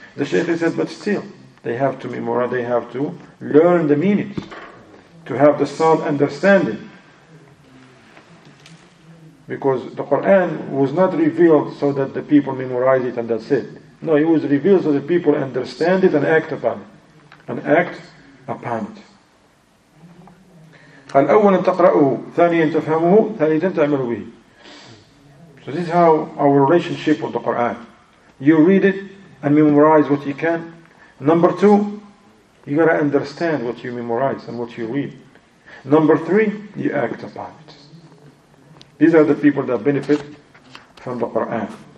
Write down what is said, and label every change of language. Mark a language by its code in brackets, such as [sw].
[en] The Shaykh said, but still, they have to memorize, they have to learn the meanings, to have the sound understanding. Because the Quran was not revealed so that the people memorize it and that's it. No, it was revealed so that people understand it and act upon it. And act upon it. [ar] قال أولا تقرأه ثانيا تفهمه ثالثا تعمل به. [en] So this is how our relationship with the Quran. You read it and memorize what you can. Number two, you gotta understand what you memorize and what you read. Number three, you act upon it. These are the people that benefit from the Quran.